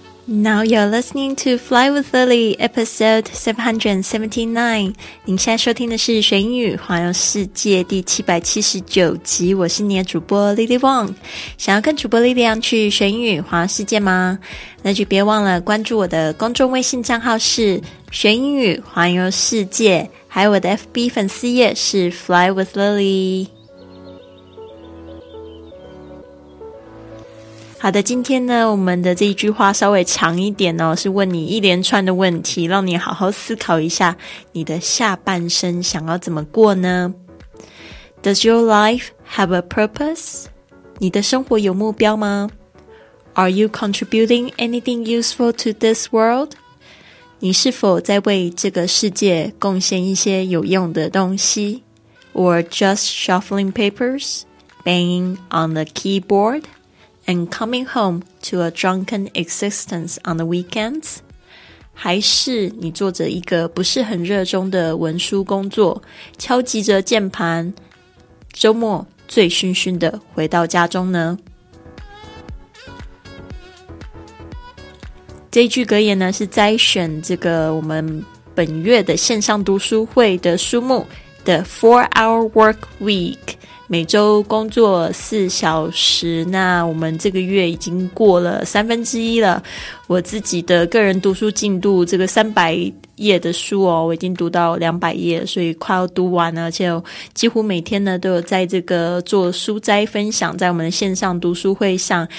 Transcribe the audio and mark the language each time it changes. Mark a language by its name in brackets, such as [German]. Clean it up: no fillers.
[English] Now you're listening to Fly with Lily, episode 779. [Chinese] 您现在收听的是玄语环游世界第779集，我是你的主播 Lily Wong。想要跟主播 Lily 去玄语环游世界吗？那就别忘了关注我的公众微信账号是玄语环游世界，还有我的 FB 粉丝页是 Fly with Lily。好的，今天呢我们的这一句话稍微长一点哦，是问你一连串的问题，让你好好思考一下你的下半生想要怎么过呢？ [English] Does your life have a purpose? [Chinese] 你的生活有目标吗？ [English] Are you contributing anything useful to this world? [Chinese] 你是否在为这个世界贡献一些有用的东西？ [English] Or just shuffling papers, banging on the keyboard? And coming home to a drunken existence on the weekends? [Chinese] 还是你做着一个不是很热衷的文书工作，敲击着键盘，周末醉醺醺的回到家中呢？这一句格言呢，是摘选这个我们本月的线上读书会的书目 The 4-Hour Work Week，每周工作四小时，那我们这个月已经过了三分之一了。我自己的个人读书进度，这个300页的书哦，我已经读到200页，所以快要读完了，而且几乎每天呢都有在这个做书斋分享，在我们的线上读书会上。